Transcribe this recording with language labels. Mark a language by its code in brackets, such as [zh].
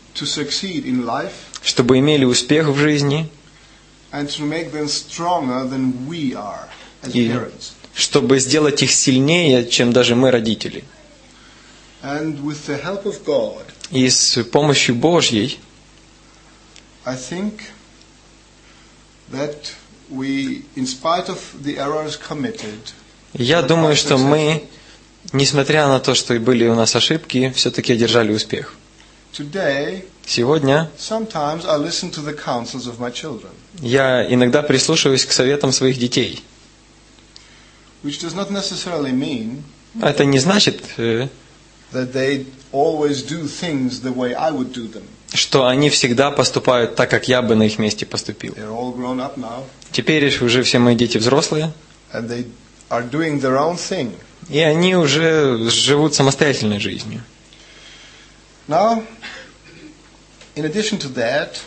[en] to succeed in life, [ru] чтобы имели успех в жизни, [en] and to make them stronger than we are as parents, [ru] чтобы сделать их сильнее, чем даже мы, родители. [en] And with the help of God, [ru] и с помощью Божьей, [en] I think that we, in spite of the errors committed, [ru] я думаю, что мы, несмотря на то, что и были у нас ошибки, все-таки одержали успех. [en] Today, [ru] сегодня, [en] sometimes I listen to the counsels of my children. [ru] Я иногда прислушиваюсь к советам своих детей. [en] which does not necessarily mean [ru] это не значит [en] that they always do things the way I would do them. [ru] Что они всегда поступают так, как я бы на их месте поступил. [en] They're all grown up now. [ru] Теперь уже все мои дети взрослые. [en] And they are doing their own thing. [ru] И они уже живут самостоятельной жизнью. [en] Now, in addition to that,